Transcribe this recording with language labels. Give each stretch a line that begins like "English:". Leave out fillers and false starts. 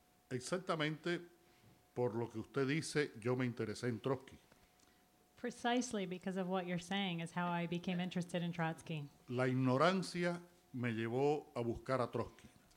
Spanish: Exactamente por lo que usted dice, yo me interesé en Trotsky.
English: precisely because of what you're saying is how I became interested in Trotsky.
Spanish: La ignorancia me llevó a buscar a Trotsky.